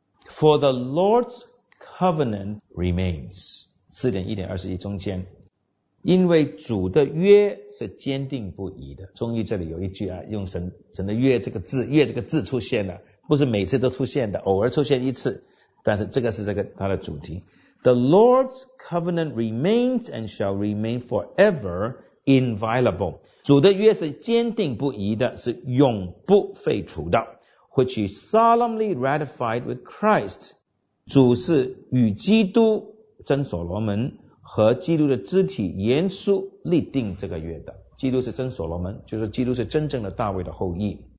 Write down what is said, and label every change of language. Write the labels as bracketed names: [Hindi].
[English] For the Lord's covenant remains， [Chinese] 4.1.21 中间，因为主的约是坚定不移的。终于这里有一句啊，用神的约这个字，约这个字出现了，不是每次都出现的，偶尔出现一次，但是这个是这个它的主题。 [English] The Lord's covenant remains and shall remain forever inviolable. [Chinese] 主的约是坚定不移的，是永不废除的。 [English] Which he solemnly ratified with Christ. [Chinese] 主是与基督、真所罗门和基督的肢体严肃立定这个约的。基督是真所罗门，就是基督是真正的大卫的后裔。